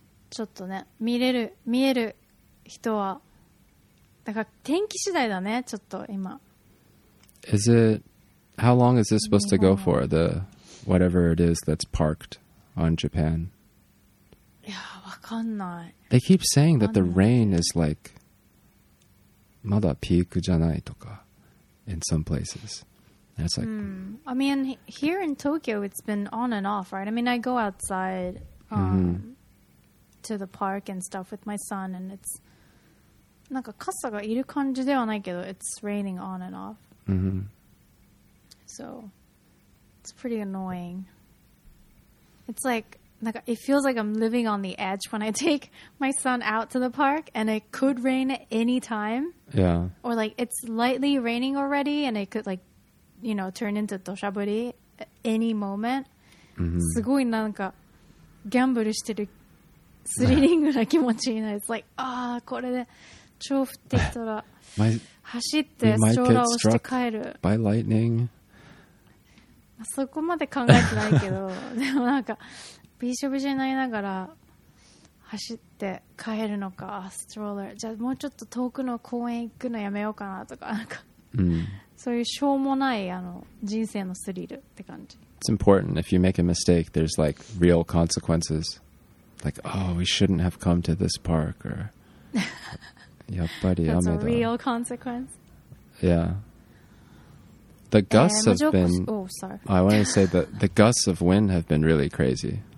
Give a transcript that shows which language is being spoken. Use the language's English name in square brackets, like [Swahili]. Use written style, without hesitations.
[Japanese] ちょっとね、見える人は、だから天気次第だね、ちょっと今。 [English] Is it, how long is this supposed to go for, the whatever it is that's parked on Japan? [Japanese] いや、わかんない。 [English] They keep saying that the rain is like, [Japanese] まだピークじゃないとか [English] in some places. And it's like, I mean, here in Tokyo, it's been on and off, right? I mean, I go outside to the park and stuff with my son, and it's [Japanese] なんか傘がいる感じではないけど [English] it's raining on and off. Mm-hmm. So it's pretty annoying. It's like, it feels like I'm living on the edge when I take my son out to the park and it could rain at any time. Yeah. Or like it's lightly raining already and it could like, you know, turn into doshaburi at any moment. Mm-hmm. [Japanese] すごいなんかギャンブルしてるスリリングな気持ちになる。 [English] It's like, ah, [Japanese] これで超降ってきたら走ってストーラーをして帰る。 [English] By lightning. [Japanese] そこまで考えてないけど、でもなんかびしょびしょになりながら走って帰るのか、ストローラー、じゃあもうちょっと遠くの公園行くのやめようかなとか、なんか、そういうしょうもないあの人生のスリルって感じ。 [English] It's important. If you make a mistake, there's like real consequences. Like, oh, we shouldn't have come to this park. Or, [Japanese] やっぱり雨だ。 [English] That's a real consequence. Yeah. The gusts have been... Oh, sorry. I want to say that the gusts of wind have been really crazy.